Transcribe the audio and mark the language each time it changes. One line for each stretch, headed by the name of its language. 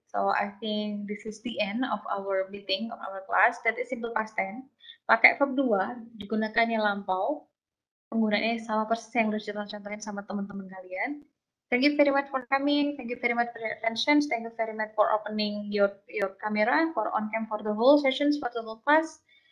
English: So I think this is the end of our meeting, of our class. That is simple past tense.
Indonesian: Pakai verb 2, digunakannya lampau. Penggunaannya sama persis yang sudah dicontohin sama teman-teman kalian.
English: Thank you very much for coming. Thank you very much for your attention. Thank you very much for opening your camera for on cam for the whole sessions for the whole class.